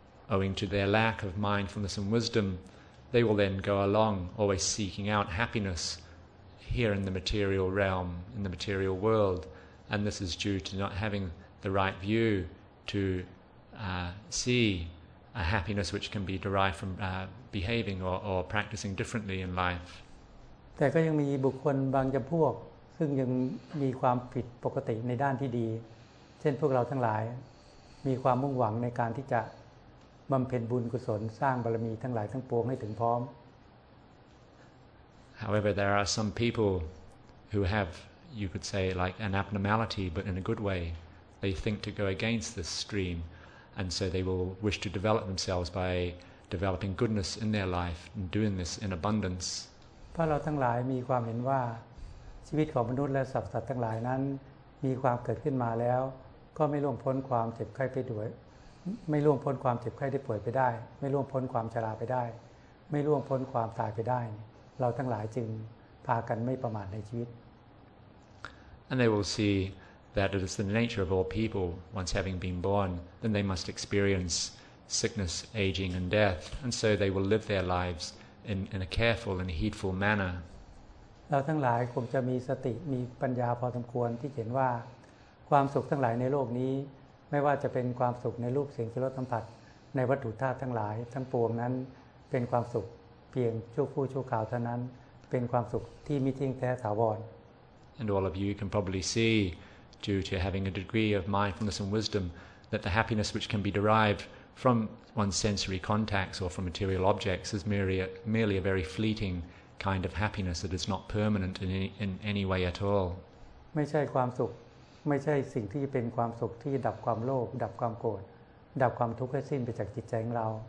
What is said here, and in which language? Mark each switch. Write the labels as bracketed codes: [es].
[en] Owing to their lack of mindfulness and wisdom, they will then go along, always seeking out happiness here in the material realm, in the material world. And this is due to not having the right view to see a happiness which can be derived from behaving or practicing differently in life. [th] แต่ก็ยังมีบุคคลบางจำพวกซึ่งยังมีความผิดปกติในด้านที่ดีเช่นพวกเราทั้งหลายมีความมุ่งหวังในการที่จะบำเพ็ญบุญกุศลสร้างบารมีทั้งหลายทั้งปวงให้ถึงพร้อม [en] However there are some people who have you could say like an abnormality but in a good way they think to go against this stream and so they will wish to develop themselves by developing goodness in their life and doing this in abundance [th] พวกเราทั้งหลายมีความเห็นว่าชีวิตของมนุษย์และสรรพสัตว์ทั้งหลายนั้นมีความเกิดขึ้นมาแล้วก็ไม่ล่วงพ้นความเจ็บไข้ได้ด้วยไม่ล่วงพ้นความเจ็บไข้ได้ป่วยไปได้ไม่ล่วงพ้นความชราไปได้ไม่ล่วงพ้นความตายไปได้เราทั้งหลายจึงพากันไม่ประมาทในชีวิต [en] And they will see that it is the nature of all people once having been born then they must experience sickness aging and death and so they will live their lives in a careful and heedful manner [th] เราทั้งหลายคงจะมีสติมีปัญญาพอสมควรที่เห็นว่าความสุขทั้งหลายในโลกนี้ไม่ว่าจะเป็นความสุขในรูปเสียงกลิ่นรสสัมผัสในวัตถุธาตุทั้งหลายทั้งปวงนั้นเป็นความสุขเพียงชั่วครู่ชั่วคราวเท่านั้นเป็นความสุขที่มิจริงแท้ถาวร [en] And all of you can probably see due to having a degree of mindfulness and wisdom that the happiness which can be derived from one's sensory contacts or from material objects is merely a very fleeting kind of happiness that is not permanent in any way at all [th] ไม่ใช่ความสุขไม่ใช่สิ่งที่เป็นความสุขที่ดับความโลภดับความโกรธ ดับความทุกข์ให้สิ้นไปจากจิตใจของเรา